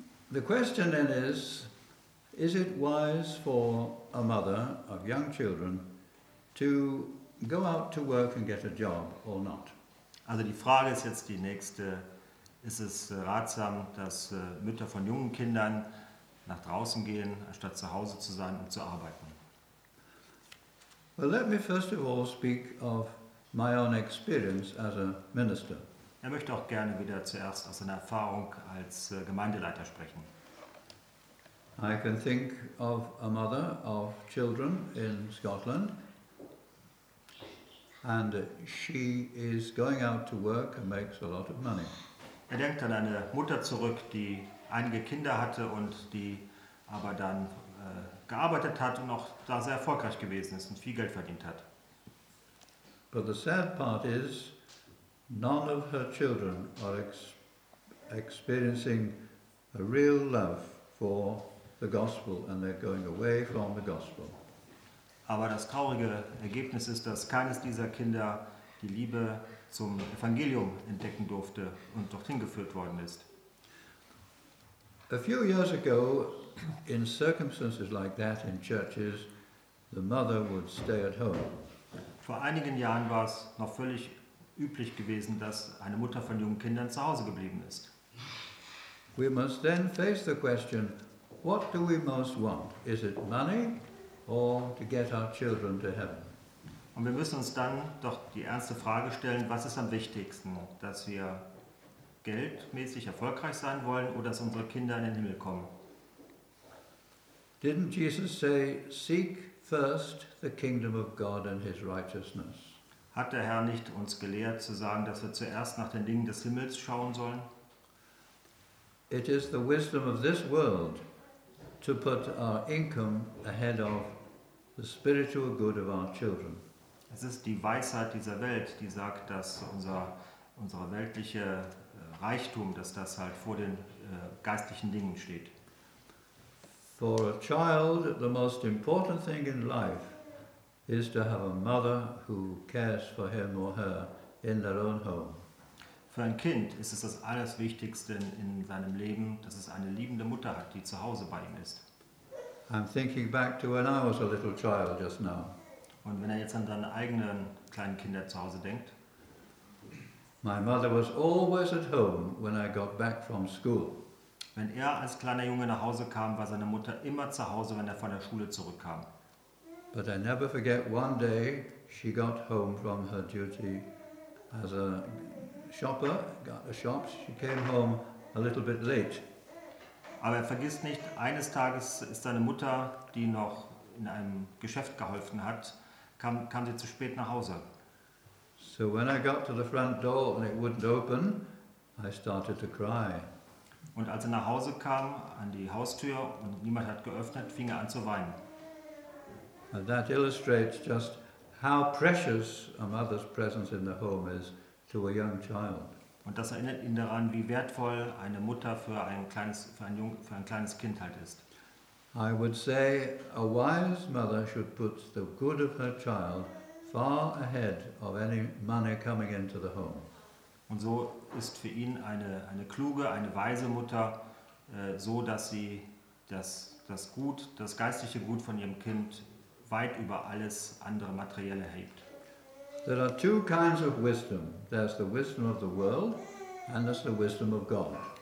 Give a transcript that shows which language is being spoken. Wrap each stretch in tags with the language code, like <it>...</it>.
<en>The question then is it wise for a mother of young children to go out to work and get a job or not?</en> <de>Also die Frage ist jetzt die nächste. Ist es ratsam, dass Mütter von jungen Kindern nach draußen gehen, anstatt zu Hause zu sein und zu arbeiten?</de> <en>Well, let me first of all speak of my own experience as a minister.</en> <de>Er möchte auch gerne wieder zuerst aus seiner Erfahrung als Gemeindeleiter sprechen.</de> <en>I can think of a mother of children in Scotland. And she is going out to work and makes a lot of money.</en> <de>Er denkt an eine Mutter zurück, die einige Kinder hatte und die aber dann gearbeitet hat und auch da sehr erfolgreich gewesen ist und viel Geld verdient hat.</de> <en>But the sad part is None of her children are experiencing a real love for the gospel, and they're going away from the gospel.</en> <de>Aber das traurige Ergebnis ist, dass keines dieser Kinder die Liebe zum Evangelium entdecken durfte und dorthin geführt worden ist.</de> <en>A few years ago, in circumstances like that in churches, the mother would stay at home.</en> <de>Vor einigen Jahren war es noch völlig üblich gewesen, dass eine Mutter von jungen Kindern zu Hause geblieben ist.</de> <en>We must then face the question, what do we most want? Is it money or to get our children to heaven?</en> <de>Und wir müssen uns dann doch die ernste Frage stellen, was ist am wichtigsten, dass wir geldmäßig erfolgreich sein wollen oder dass unsere Kinder in den Himmel kommen?</de> <en>Didn't Jesus say, seek first the kingdom of God and his righteousness?</en> <de>Hat der Herr nicht uns gelehrt zu sagen, dass wir zuerst nach den Dingen des Himmels schauen sollen?</de> <en>It is the wisdom of this world to put our income ahead of the spiritual good of our children.</en> <de>Es ist die Weisheit dieser Welt, die sagt, dass unser weltliche Reichtum, dass das halt vor den geistlichen Dingen steht.</de> <en>For a child, the most important thing in life is to have a mother who cares for him or her in their own home.</en> <de>Für ein Kind ist es das Allerwichtigste in seinem Leben, dass es eine liebende Mutter hat, die zu Hause bei ihm ist.</de> <en>I'm thinking back to when I was a little child just now.</en> <de>Und wenn er jetzt an seine eigenen kleinen Kinder zu Hause denkt.</de> <en>My mother was always at home when I got back from school.</en> <de>Wenn er als kleiner Junge nach Hause kam, war seine Mutter immer zu Hause, wenn er von der Schule zurückkam.</de> <en>But I never forget one day she got home from her duty as a shopper, got the shops, she came home a little bit late.</en> <de>Aber vergiss nicht, eines Tages ist seine Mutter, die noch in einem Geschäft geholfen hat, kam sie zu spät nach Hause.</de> <en>So when I got to the front door and it wouldn't open, I started to cry.</en> <de>Und als er nach Hause kam, an die Haustür und niemand hat geöffnet, fing er an zu weinen.</de> <en>And that illustrates just how precious a mother's presence in the home is to a young child.</en> <de>Und das erinnert ihn daran, wie wertvoll eine Mutter für ein kleines Kind halt ist.</de> <en>I would say a wise mother should put the good of her child far ahead of any money coming into the home.</en> <de>Und so ist für ihn eine kluge, eine weise Mutter so, dass sie das geistliche Gut von ihrem Kind weit über alles andere Materielle hebt.</de> <en>There are two kinds of wisdom. There's the wisdom of the world and there's the wisdom of God.</en>